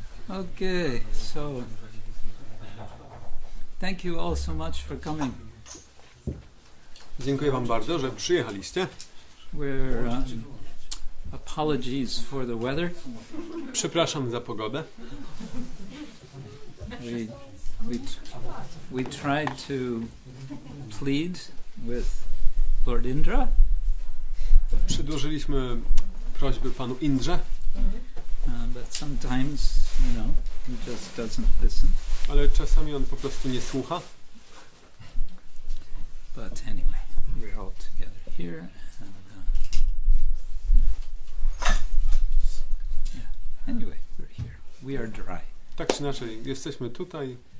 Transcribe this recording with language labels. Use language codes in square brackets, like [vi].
[en] Okay, so thank you all so much for coming. [pl] Dziękuję wam bardzo, że przyjechaliście. [en] We're apologies for the weather. [pl] Przepraszam za pogodę. [en] We tried to plead with Lord Indra. [pl] Przedłożyliśmy prośby panu Indrze. [en] But sometimes, you know, he just doesn't listen. [pl] Ale czasami on po prostu nie słucha. [en] But anyway, we're all together here. Anyway, we're here. We are dry. [pl] Tak czy inaczej, jesteśmy tutaj.